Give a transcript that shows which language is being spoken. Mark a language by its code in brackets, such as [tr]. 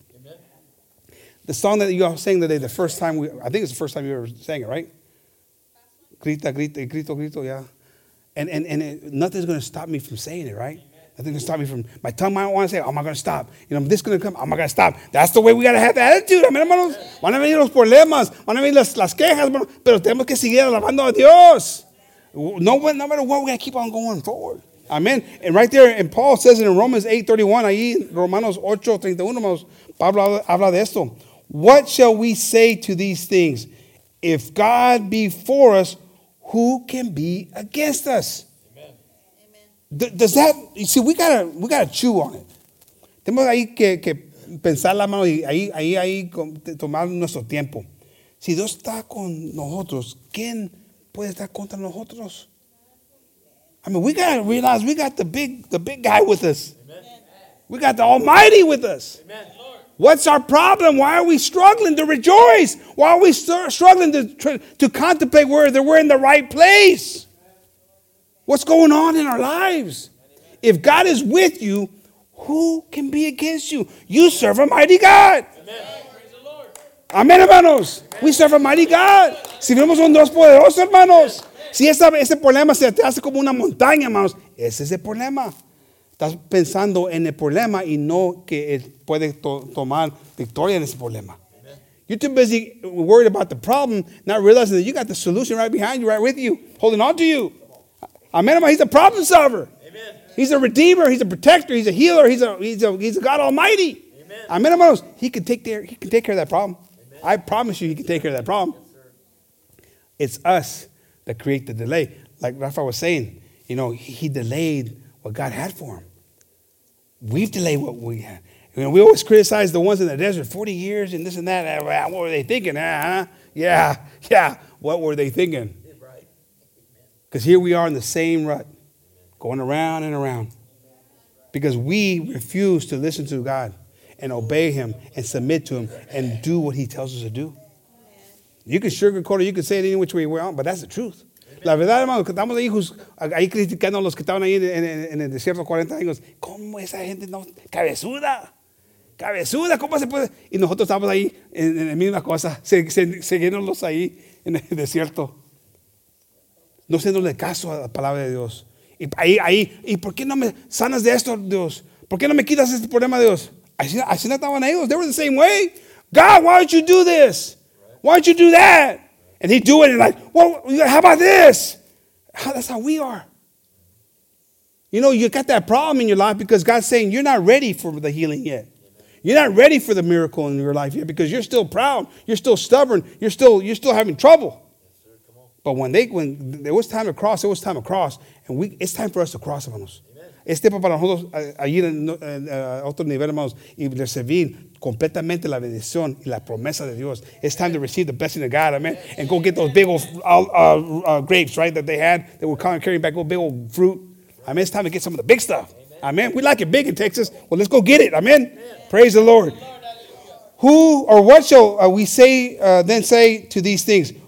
[en] Amen. The song that you all sang today, the first time, I think it's the first time you ever sang it, right? [es] Grita, grita, grito, grito, [en] yeah. And nothing's going to stop me from saying it, right? Nothing can stop me from, my tongue might want to say, oh, am I going to stop? You know, this going to come, oh, am I going to stop? That's the way we got to have the attitude, amen, hermanos. [es] Van a venir los problemas, van a venir las quejas, hermanos. Pero tenemos que seguir alabando a Dios. [en] No matter what, we got to keep on going forward. Amen. And right there, and Paul says it in Romans 8:31, [es] ahí en Romanos 8:31, hermanos, Pablo habla de esto. [en] What shall we say to these things? If God be for us, who can be against us? Does that, you see, we gotta chew on it. [es] Tenemos ahí que pensar la mano y ahí tomar nuestro tiempo. Si Dios está con nosotros, ¿quién puede estar contra nosotros? [en] I mean, we gotta realize we got the big guy with us. Amen. We got the Almighty with us. Amen. What's our problem? Why are we struggling to rejoice? Why are we struggling to contemplate whether we're in the right place? What's going on in our lives? If God is with you, who can be against you? You serve a mighty God. Amen, [es] hermanos. [en] We serve a mighty God. [es] Si vemos un Dios poderoso, hermanos. Si ese problema se te hace como una montaña, hermanos, ese es el problema. Estás pensando en el problema y no que él puede tomar victoria en ese problema. [en] You're too busy worried about the problem, not realizing that you got the solution right behind you, right with you, holding on to you. Amen. He's a problem solver. Amen. He's a redeemer. He's a protector. He's a healer. He's a God Almighty. Amen. Amen. He can take care of that problem. Amen. I promise you, he can take care of that problem. Yes, it's us that create the delay. Like Rafa was saying, you know, he delayed what God had for him. We've delayed what we had. You know, we always criticize the ones in the desert, 40 years and this and that. What were they thinking? Yeah. What were they thinking? Because here we are in the same rut, going around and around. Because we refuse to listen to God and obey him and submit to him and do what he tells us to do. You can sugarcoat it, you can say it any which way you want, but that's the truth. Amen. [es] La verdad, hermano, que estamos ahí, ahí criticando a los que estaban ahí en el desierto 40 años. ¿Cómo esa gente no? ¡Cabezuda! ¡Cabezuda! ¿Cómo se puede? Y nosotros estamos ahí en la misma cosa, siguiéndolos ahí en el desierto. No haciéndole caso a la palabra de Dios. Y ahí, ¿y por qué no me sanas de esto, Dios? ¿Por qué no me quitas este problema, Dios? Así no estaban ellos. [en] They were the same way. God, why don't you do this? Why don't you do that? And he'd do it and like, well, how about this? That's how we are. You know, you got that problem in your life because God's saying you're not ready for the healing yet. You're not ready for the miracle in your life yet because you're still proud. You're still stubborn. You're still having trouble. But when there was time to cross, it was time to cross. And it's time for us to cross, hermanos. [es] Es tiempo para nosotros ir a otro nivel, hermanos, y recibir completamente la bendición y la promesa de Dios. [en] It's time to receive the blessing of God, amen, and go get those big old grapes, right, that they had, that were coming, carrying back old big old fruit. Amen, it's time to get some of the big stuff. Amen. We like it big in Texas. Well, let's go get it. Amen. Praise the Lord. Who or what shall we say then say to these things?